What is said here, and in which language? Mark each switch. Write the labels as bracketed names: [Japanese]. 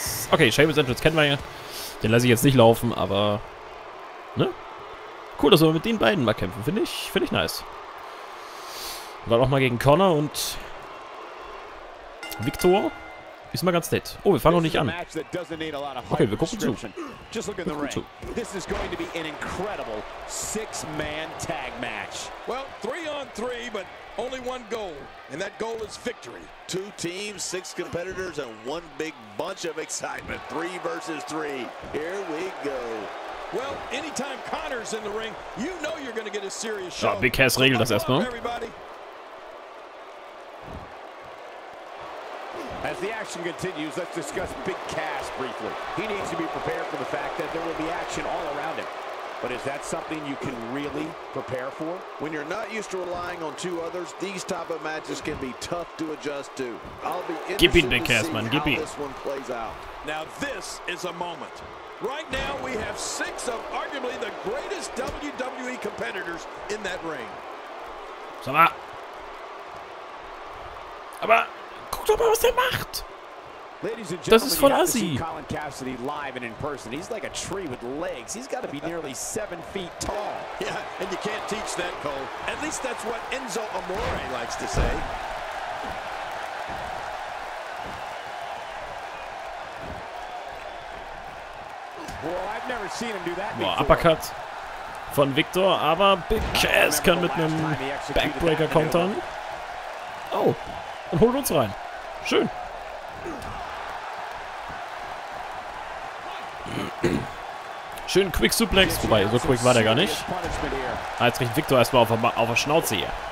[German] Okay, Shameless Entrance kennen wir ja. Den lasse ich jetzt nicht laufen, aber... Ne? Cool, dass wir mit den beiden mal kämpfen. Finde ich nice. Und dann auch mal gegen Connor und... Victor. Ist mal ganz nett. Oh, wir fangen noch nicht an. Okay, wir gucken zu. [English] This is going to be an incredible six-man tag match. Well, three on three, but only one goal. And that goal is victory. Two teams, six competitors, and one big bunch of excitement. Three versus three. Here we go. Well, anytime Connor's in the ring, you know you're going to get a serious shot. [German] Big Cass regelt das erstmal. [English] As the action continues, let's discuss Big Cass briefly. He needs to be prepared for the fact that there will be action all around him. But is that something you can really prepare for? When you're not used to relying on two others, these type of matches can be tough to adjust to. I'll be interested to see how this one plays out. Now this is a moment. Right now we have six of arguably the greatest WWE competitors in that ring. [German] Sag mal. Aber guck doch mal, was der macht. [English] Ladies and gentlemen, [German] das ist voll assi. [English] Colin Cassidy live and in person. He's like a tree with legs. He's got to be nearly 7 feet tall. Yeah, and you can't teach that, Cole. At least that's what Enzo Amore likes to say. Well, I've never seen him do that before. [German] Uppercut von Victor, aber Big Cass kann mit einem Backbreaker kontern. Oh, und holt uns rein. Schön. Schön Quick Suplex, wobei so quick war der gar nicht. Ah, jetzt kriegt Victor erstmal auf der Schnauze hier.